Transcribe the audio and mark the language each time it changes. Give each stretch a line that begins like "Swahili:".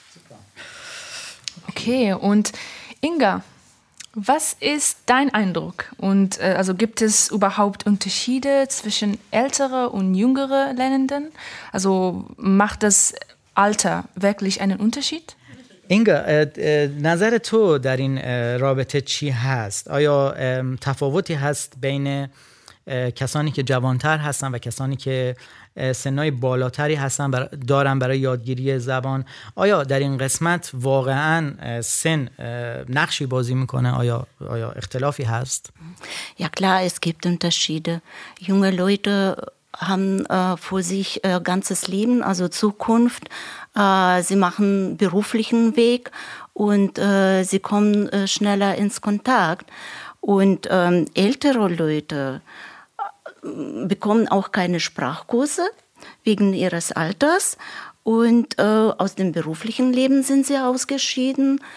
German: Super. Okay, und Inga, was ist dein Eindruck? Und also gibt es überhaupt Unterschiede zwischen älteren und jüngeren Lernenden? Also macht das Alter wirklich einen Unterschied?
Persian: Inga, نظر تو در این رابطه چی هست؟ آیا تفاوتی هست بین کسانی که جوانتر هستن و کسانی که سنای بالاتری هستن دارن برای یادگیری زبان آیا در این قسمت واقعا سن نقشی بازی میکنه آیا اختلافی هست
German: Ja klar es gibt Unterschiede junge Leute haben vor sich ganzes Leben also Zukunft sie machen beruflichen Weg und sie kommen schneller ins Kontakt und ältere Leute bekommen auch keine Sprachkurse wegen ihres Alters und aus dem beruflichen Leben sind sie ausgeschieden.